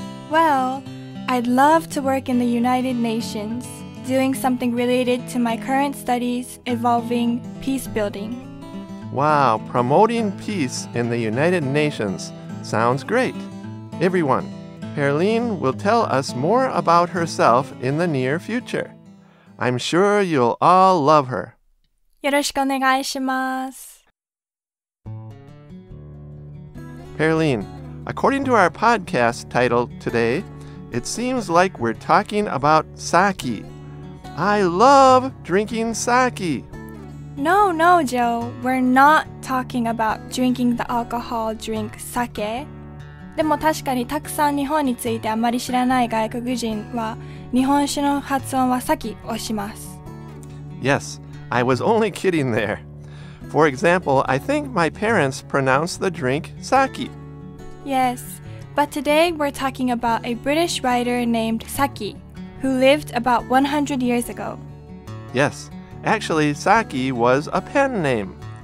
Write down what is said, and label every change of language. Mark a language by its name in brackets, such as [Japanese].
[English] Well,I'd love to work in the United Nations, doing something related to my current studies involving peace building. Wow, promoting peace in the United Nations sounds great. Everyone, Pearline will tell us more about herself in the near future. I'm sure you'll all love her. [Japanese] よろしくお願いします。 [English] Pearline, according to our podcast title today,It seems like we're talking about sake. I love drinking sake. No, no, Joe. We're not talking about drinking the alcohol drink sake. [Japanese] でも確かにたくさん日本についてあまり知らない外国人は日本酒の発音は sake をします。 [English] Yes, I was only kidding there. For example, I think my parents pronounce the drink sake. Yes. But today we're talking about a British writer named Saki, who lived about 100 years ago. Yes, actually Saki was a pen name.